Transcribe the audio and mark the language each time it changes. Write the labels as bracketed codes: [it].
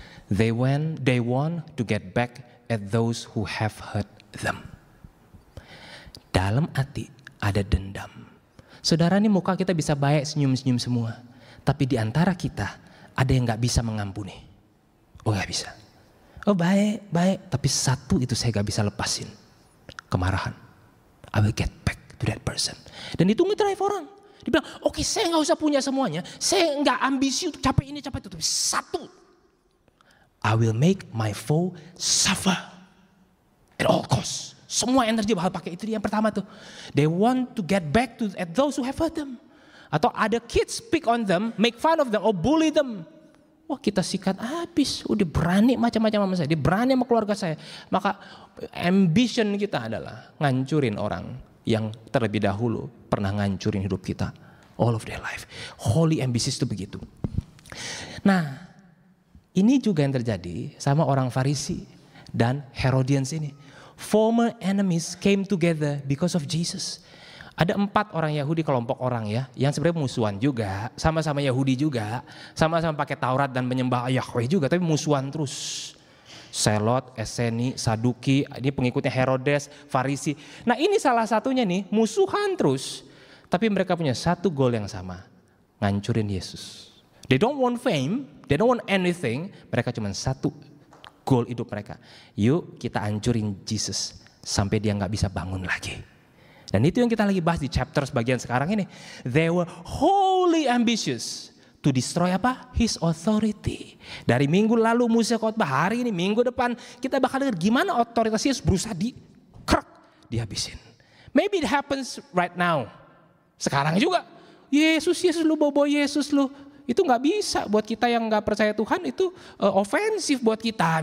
[en] They want to get back at those who have hurt them. [id] Dalam hati ada dendam. Saudara, ini muka kita bisa baik, senyum-senyum semua. Tapi di antara kita ada yang gak bisa mengampuni? Oh gak bisa. Oh baik, baik. Tapi satu itu saya gak bisa lepasin. Kemarahan. [en] I will get back to that person. [id] Dan itu nge-drive orang. Dia bilang, okay, saya gak usah punya semuanya. Saya gak ambisi untuk capai ini, capai itu. Tapi satu. [en] I will make my foe suffer. At all cost. [id] Semua energi bakal pakai. Itu dia yang pertama tuh. [en] They want to get back to at those who have hurt them. [id] Atau ada [en] kids pick on them, make fun of them, or bully them. [id] Wah kita sikat habis. Udah berani macam-macam sama saya. Dia berani sama keluarga saya. Maka ambition kita adalah ngancurin orang yang terlebih dahulu pernah ngancurin hidup kita. [en] All of their life. [id] Holy ambitions itu begitu. Nah, ini juga yang terjadi sama orang Farisi dan Herodians ini. [en] Former enemies came together because of Jesus. [id] Ada empat orang Yahudi, kelompok orang ya, yang sebenarnya musuhan juga, sama-sama Yahudi juga, sama-sama pakai Taurat dan menyembah Yahweh juga, tapi musuhan terus. Selot, Eseni, Saduki, ini pengikutnya Herodes, Farisi. Nah ini salah satunya nih, musuhan terus, tapi mereka punya satu goal yang sama, ngancurin Yesus. [en] They don't want fame, they don't want anything, [id] mereka cuma satu goal hidup mereka. Yuk kita hancurin Jesus sampai dia gak bisa bangun lagi. Dan itu yang kita lagi bahas di chapter sebagian sekarang ini. [en] They were wholly ambitious to destroy [id] apa? [en] His authority. [id] Dari minggu lalu Musa khotbah, hari ini, minggu depan, kita bakal dengar gimana otoritas Yesus berusaha dikrek, dihabisin. [en] Maybe it happens right now. [id] Sekarang juga. Yesus, Yesus lu, bobo Yesus lu. Itu gak bisa buat kita yang gak percaya Tuhan, itu ofensif buat kita.